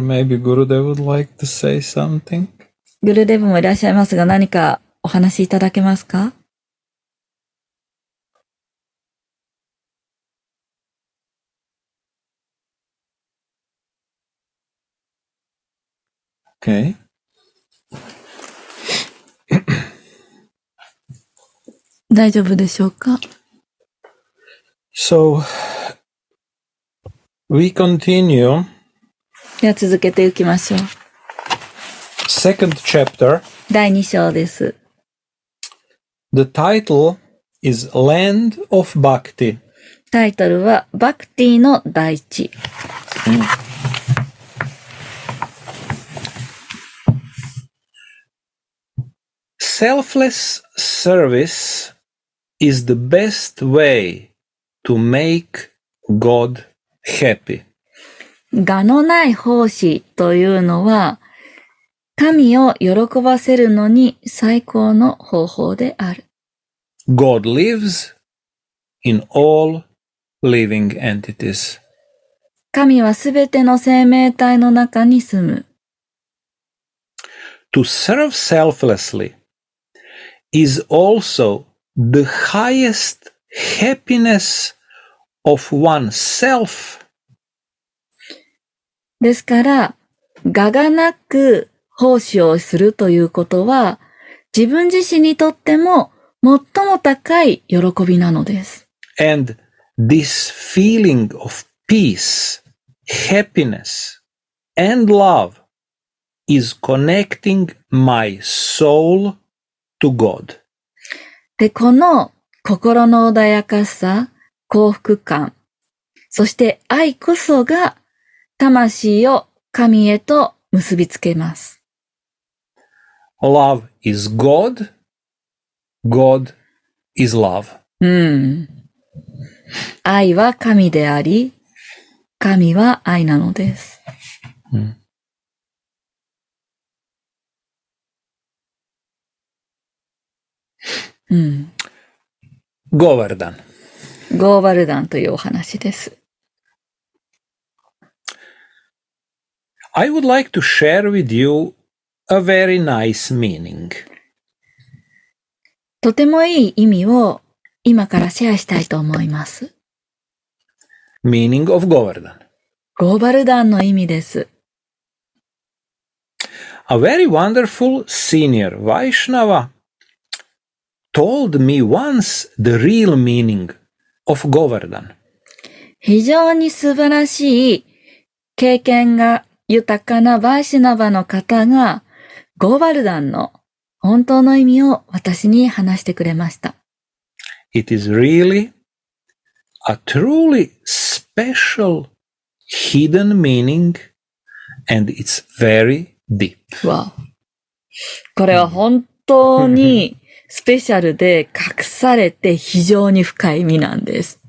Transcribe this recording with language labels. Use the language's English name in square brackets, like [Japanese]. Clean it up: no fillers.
[English] Maybe Gurudev would like to say something. [Japanese] Gurudev もいらっしゃいますが、何かお話しいただけますか？ [English] Okay. [Japanese] 大丈夫でしょうか? [English] So, we continue. [Japanese] では続けていきましょう。 [English] Second chapter. [Japanese] 第2章です。 [English] The title is Land of Bhakti. [Japanese] タイトルは Bhakti の大地。 [English] Selfless service is the best way to make God happy. [Japanese] 我のない奉仕というのは神を喜ばせるのに最高の方法である。 [English] God lives in all living entities. [Japanese] 神はすべての生命体の中に住む。 [English] To serve selflessly. Is also the highest happiness of oneself. [Japanese] ですから、我がなく奉仕をするということは、自分自身にとっても最も高い喜びなのです。 [English] And this feeling of peace, happiness, and love is connecting my soul. To God. [Japanese] で、この心の穏やかさ、幸福感、そして愛こそが魂を神へと結びつけます。 [English] Love is God. God is love. うん。 [Japanese] 愛は神であり、神は愛なのです。うん。うん、ゴーバルダン。ゴーバルダンというお話です。 [English] I would like to share with you a very nice meaning. [Japanese] とてもいい意味を今からシェアしたいと思います。 [English] Meaning of ゴーバルダン。 [Japanese] ゴーバルダンの意味です。 [English] A very wonderful senior Vaishnava. Told me once the real meaning of Govardhan. [Japanese] 非常に素晴らしい経験が豊かなバイシナバの方がゴーバルダンの本当の意味を私に話してくれました。 [English] It is really a truly special hidden meaning and it's very deep. Wow. [Japanese] これは本当にスペシャルで隠されて非常に深い意味なんです。